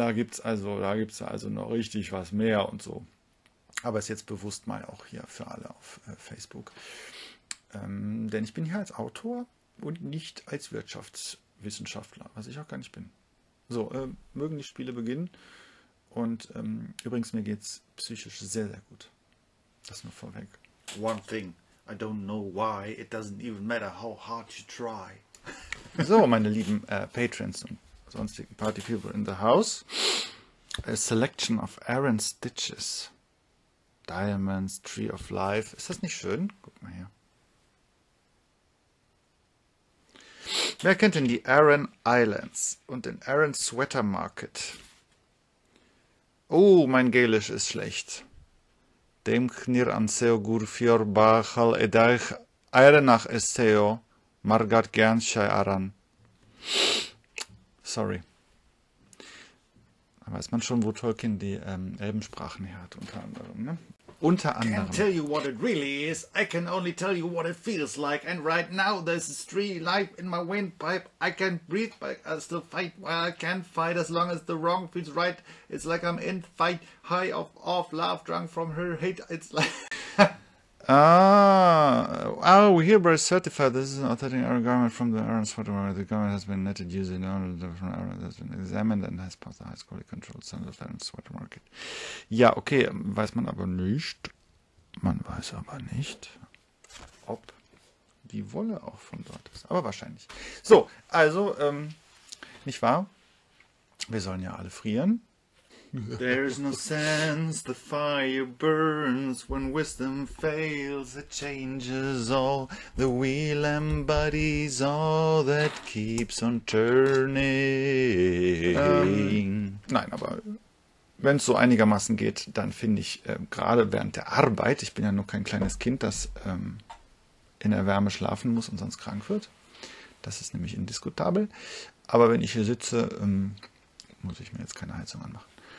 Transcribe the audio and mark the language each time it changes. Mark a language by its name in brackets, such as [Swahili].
[German] Da gibt's also noch richtig was mehr und so. Aber ist jetzt bewusst mal auch hier für alle auf Facebook. Denn ich bin hier als Autor und nicht als Wirtschaftswissenschaftler, was ich auch gar nicht bin. So, mögen die Spiele beginnen. Und übrigens, mir geht's psychisch sehr, sehr gut. Das nur vorweg. [English] One thing, I don't know why, it doesn't even matter how hard you try. [German] So, meine lieben Patrons und sonstigen [English] Party People in the House. A selection of Aaron Stitches. [German] Diamonds, Tree of Life. Ist das nicht schön? Guck mal hier. Wer kennt denn die Aaron Islands und den Aaron Sweater Market? Oh, mein Gälisch ist schlecht. Dem Knir an Seogur Fjor Bachal Edeich Eirenach Esseo Margat Gernschei Aran. Sorry. Da weiß man schon, wo Tolkien die Elbensprachen her hat, unter anderem. Ne? Unter anderem. [English] I can't tell you what it really is. I can only tell you what it feels like. And right now there's a street life in my windpipe. I can't breathe, but I still fight. Well, I can't fight as long as the wrong feels right. It's like I'm in fight, high off love, drunk from her hate. It's like... Ah, oh, we hereby certify this is an authentic Aaron garment from the Aaron Sweater Market. The garment has been knitted using an Aaron from Aaron that has been examined and has passed the highest quality control standard of the Aaron Sweater Market. [German] Ja, okay, weiß man aber nicht. Man weiß aber nicht, ob die Wolle auch von dort ist. Aber wahrscheinlich. So, also, nicht wahr? Wir sollen ja alle frieren. [English] There's no sense, the fire burns, when wisdom fails, it changes all. The wheel embodies all that keeps on turning. [German] Nein, aber wenn es so einigermaßen geht, dann finde ich gerade während der Arbeit, ich bin ja nur kein kleines Kind, das in der Wärme schlafen muss und sonst krank wird, das ist nämlich indiskutabel, aber wenn ich hier sitze, muss ich mir jetzt keine Heizung anmachen.